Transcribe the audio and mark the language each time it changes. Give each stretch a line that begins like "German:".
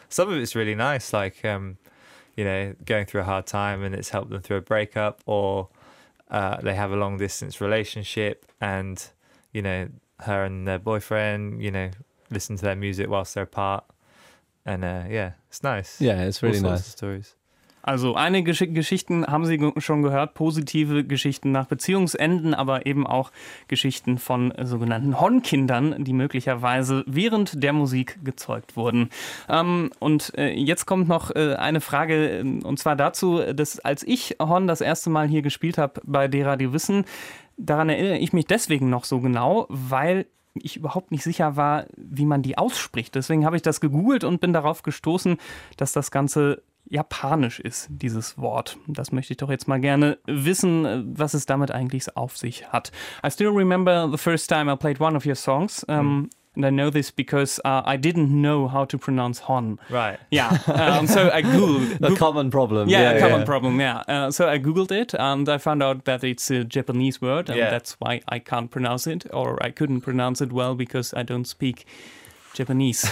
English: Some of it's really nice, like, you know, going through a hard time and it's helped them through a breakup, or they have a long distance relationship and, you know, her and their boyfriend, you know, listen to their music whilst they're apart. And it's nice. Yeah, it's really all nice. Sorts of stories.
German: Also einige Geschichten haben Sie schon gehört, positive Geschichten nach Beziehungsenden, aber eben auch Geschichten von sogenannten Hornkindern, die möglicherweise während der Musik gezeugt wurden. Jetzt kommt noch eine Frage, und zwar dazu, dass als ich Horn das erste Mal hier gespielt habe bei D Radio Wissen, daran erinnere ich mich deswegen noch so genau, weil ich überhaupt nicht sicher war, wie man die ausspricht. Deswegen habe ich das gegoogelt und bin darauf gestoßen, dass das Ganze japanisch ist, dieses Wort. Das möchte ich doch jetzt mal gerne wissen, was es damit eigentlich auf sich hat.
English: I still remember the first time I played one of your songs. And I know this because I didn't know how to pronounce hon. Right. Yeah. So I Googled. A common problem. Yeah. So I Googled it and I found out that it's a Japanese word. And that's why I can't pronounce it, or I couldn't pronounce it well, because I don't speak Japanese.